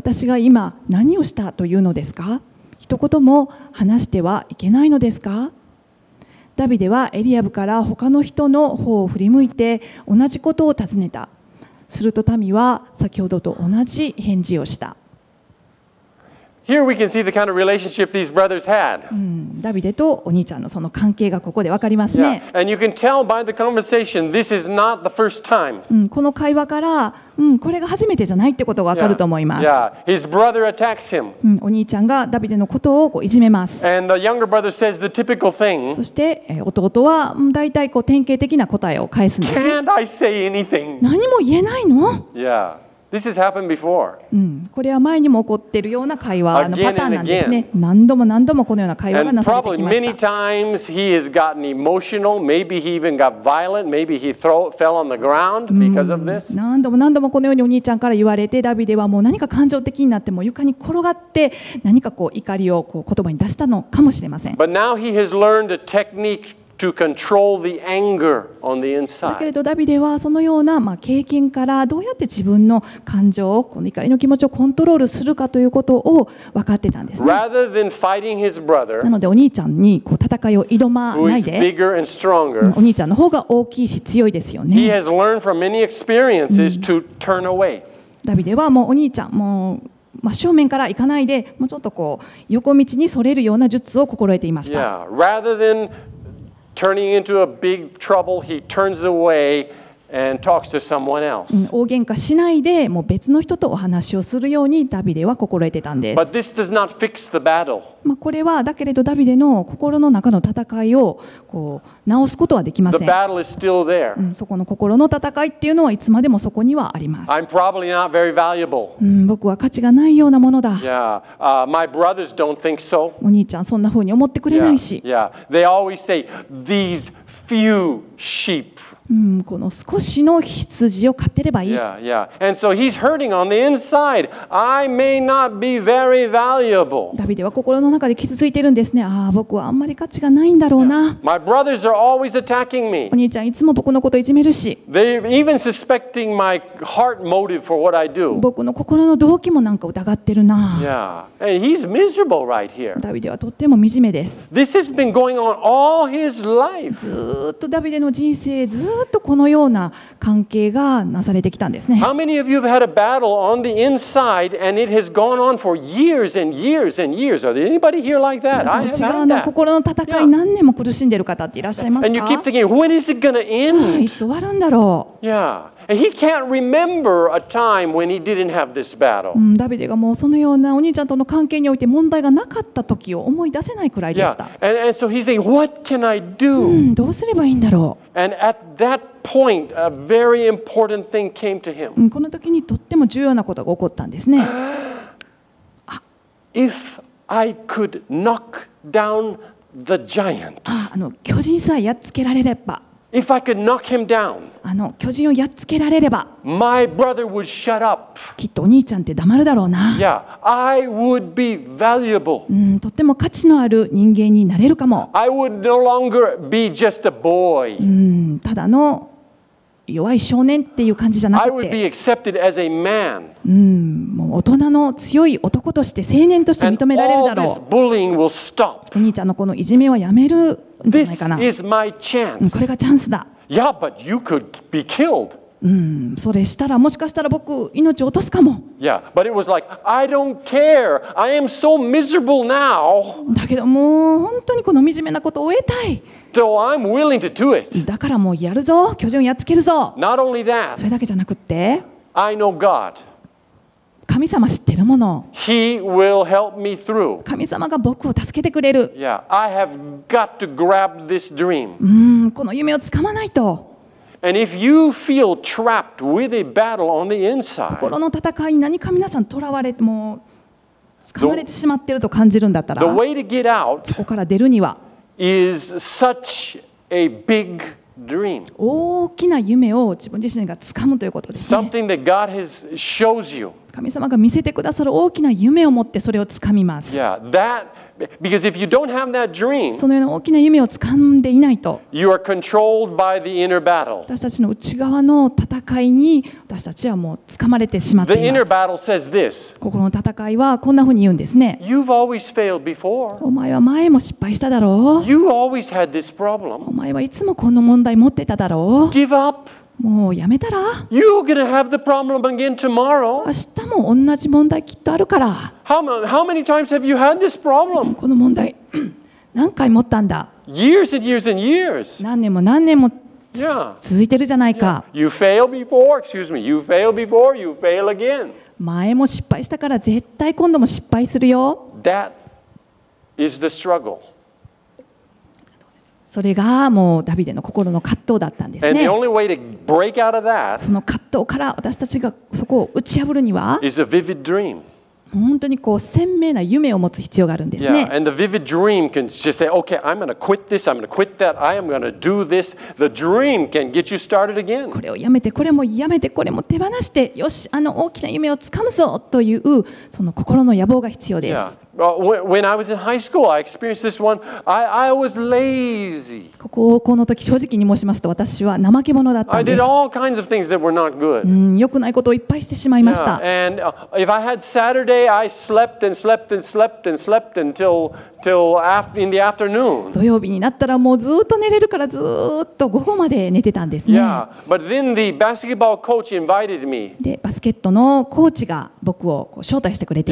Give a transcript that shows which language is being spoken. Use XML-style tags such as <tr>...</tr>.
<ja>私が今何をしたというのですか。一言も話してはいけないのですか。ダビデはエリアブから他の人の方を振り向いて同じことを尋ねた。すると民は先ほどと同じ返事をした。</ja> <en>Here we can see the kind of relationship these brothers had.</en> <ja>ダビデとお兄ちゃんのその関係がここでわかりますね。</ja> <en>Yeah. And you can tell by the conversation this is not the first time.</en> <ja>この会話から、これが初めてじゃないってことがわかると思います。</ja> <en>Yeah. Yeah. His brother attacks him.</en> <ja>お兄ちゃんがダビデのことをこういじめます。</ja> <en>And the younger brother says the typical thing.</en> <ja>そして弟は大体こう典型的な答えを返すんです、ね。</ja> <en>Can't I say anything?</en> <ja>何も言えないの？</ja> <en>Yeah. This has happened before.</en> <ja>これは前にも起こっているような会話のパターンなんですね。何度も何度もこのような会話がなされてきました。</ja> <en>Times he has gotten emotional. Maybe he even got violent. Maybe he fell on the ground because of this.</en> <ja>何度も何度もこのようにお兄ちゃんから言われて、ダビデはもう何か感情的になっても床に転がって何かこう怒りをこう言葉に出したのかもしれません。</ja> <en>But now he has learned a technique to control the anger on the inside.</en> <ja>だけれどダビデはそのような、まあ、経験からどうやって自分の感情をこの怒りの気持ちをコントロールするかということを分かってたんですね。</ja> <en>Rather than fighting his brother,</en> <ja>なのでお兄ちゃんにこう戦いを挑まないで</ja> <en>who is bigger and stronger,</en> <ja>お兄ちゃんの方が大きいし強いですよね。</ja> <en>He has learned from many experiences to turn away.</en> <ja>ダビデはもうお兄ちゃんもう真正面から行かないでもうちょっとこう横道にそれるような術を心得ていました。</ja> <en>Yeah, rather than turning into a big trouble, he turns away and talks to someone else.</en> <ja>大喧嘩しないでもう別の人とお話をするようにダビデは心得てたんです。</ja> <en>But this does not fix the battle.</en> <ja>まあこれはだけれどダビデの心の中の戦いをこう直すことはできません。</ja> <en>The battle is still there.</en> <ja>そこの心の戦いっていうのはいつまでもそこにはあります。</ja> <en>I'm probably not very valuable.</en> <ja>僕は価値がないようなものだ。</ja> <en>Yeah. My brothers don't think so.</en> <ja>お兄ちゃんそんな風に思ってくれないし。</ja> <en>Yeah. They always say these few sheep.</en> <ja>この少しの羊を飼ってればいい。</ja> <en>Yeah, yeah. And so he's hurting on the inside. I may not be very valuable.</en> <ja>ダビデは心の中で傷ついてるんですね。ああ、僕はあんまり価値がないんだろうな。</ja> <en>Yeah. My brothers are always attacking me.</en> <ja>お兄ちゃんいつも僕のこといじめるし。</ja> <en>They're even suspecting my heart motive for what I do.</en> <ja>僕の心の動機もなんか疑ってるな。</ja> <en>Yeah. And he's miserable right here.</en> <ja>ダビデはとっても惨めです。</ja> <en>This has been going on all his life.</en> <ja>ずっとダビデの人生ずっとずっとこのような関係がなされてきたんですね。</ja> <en>How many of you have had a battle on the inside and it has gone on for years and years and years? Are there anybody here like that? I have had that.</en> <ja>心の戦い何年も苦しんでる方っていらっしゃいますか？</ja> <en>And you keep thinking, when is it going to end?</en> <ja>いつ終わるんだろう？</ja> <en>Yeah. He can't remember a time when he didn't have this battle.</en> <ja>ダビデがもうそのようなお兄ちゃんとの関係において問題がなかった時を思い出せないくらいでした。</ja> <en>Yeah. And so he's saying, "What can I do?"</en> <ja>どうすればいいんだろう。</ja> <en>And at that point, a very important thing came to him.</en> <ja>この時にとっても重要なことが起こったんですね。</ja> <en>If I could knock down the giant.</en> <ja>あの巨人さえやっつけられれば。</ja> <en>If I could knock him down,</en> <ja>あの巨人をやっつけられれば、</ja> <en>my brother would shut up.</en> <ja>きっとお兄ちゃんって黙るだろうな。</ja> <en>Yeah, I would be valuable.</en> <ja>とっても価値のある人間になれるかも。</ja> <en>I would no longer be just a boy.</en> <ja>ただの弱い少年っていう感じじゃなくて、</ja> <en>I would be accepted as a man.</en> <ja>もう大人の強い男として青年として認められるだろう。</ja> <en>And all this bullying will stop.</en> <ja>お兄ちゃんのこのいじめはやめる。</ja> <en>This is my chance.</en> <ja>これがチャンスだ。</ja> <en>Yeah, but you could be killed.</en> <ja>それしたらもしかしたら僕命を落とすかも。</ja> <en>Yeah, but it was like I don't care. I am so miserable now.</en> <ja>だけどもう本当にこの惨めなことを終えたい。</ja> <en>So I'm willing to do it.</en> <ja>だからもうやるぞ。巨人をやっつけるぞ。</ja> <en>Not only that.</en> <ja>それだけじゃなくって。</ja> <en>I know God.</en> <ja>神様知ってるもの。</ja> <en>He will help me through.</en> <ja>神様が僕を助けてくれる。</ja> <en>Yeah, I have got to grab this dream.</en> <ja>この夢をつかまないと。</ja> <en>And if you feel trapped with a battle on the inside,</en> <ja>心の戦いに何か皆さんとらわれもつかまれてしまってると感じるんだったら、</ja> <en>the way to get out,</en> <ja>そこから出るには、</ja> <en>is such a big dream.</en> <ja>大きな夢を自分自身がつかむということですね。</ja> <en>Something that God has shows you.</en> <ja>神様が見せてくださる大きな夢を持ってそれをつかみます。</ja> <en>Yeah, that, because if you don't have that dream,</en> <ja>そのような大きな夢をつかんでいないと、</ja> <en>you are controlled by the inner battle.</en> <ja>私たちの内側の戦いに私たちはもうつかまれてしまっています。</ja> <en>The inner battle says this.</en> <ja>心の戦いはこんなふうに言うんですね。</ja> <en>You've always failed before.</en> <ja>お前は前も失敗しただろう。</ja> <en>You always had this problem.</en> <ja>お前はいつもこの問題持ってただろう。</ja> <en>Give up.</en> <ja>もうやめたら。</ja> <en>You're gonna have the problem again tomorrow.</en> <ja>明日も同じ問題きっとあるから。</ja> <en>How many times have you had this problem?</en> <ja>この問題何回持ったんだ。</ja> <en>Years and years and years.</en> <ja>何年も何年も続いてるじゃないか。</ja> <en>Yeah. You fail before, excuse me. You fail before, you fail again.</en> <ja>前も失敗したから絶対今度も失敗するよ。</ja> <en>That is the struggle.</en> <ja>それがもうダビデの心の葛藤だったんですね。</ja> <en>And the only way to break out of that,</en> <ja>その葛藤から私たちがそこを打ち破るには</ja> <en>is a vivid dream.</en> <ja>本当にこう鮮明な夢を持つ必要があるんですね。</ja> <en>Yeah, and the vivid dream can just say, okay, I'm going to quit this, I'm going to quit that, I am going to do this. The dream can get you started again.</en> <ja>これをやめて、これもやめて、これも手放して、よし、あの大きな夢をつかむぞというその心の野望が必要です。</ja> <en>Yeah. When I was in high school, I experienced this one. I was lazy.</en> <ja>高校の時、正直に申しますと、私は怠け者だったんです。</ja> <en>I did all kinds of things that were not good.</en> <ja>うん、良くないことをいっぱいしてしまいました。</ja> <en>Yeah. And if I had Saturday, I slept and slept and slept and slept until in the afternoon.</en> <ja>土曜日になったらもうずっと寝れるからずっと午後まで寝てたんですね。</ja> <en>Yeah. But then the basketball coach invited me.</en> <ja>で、バスケットのコーチが僕をこう招待してくれて。</ja>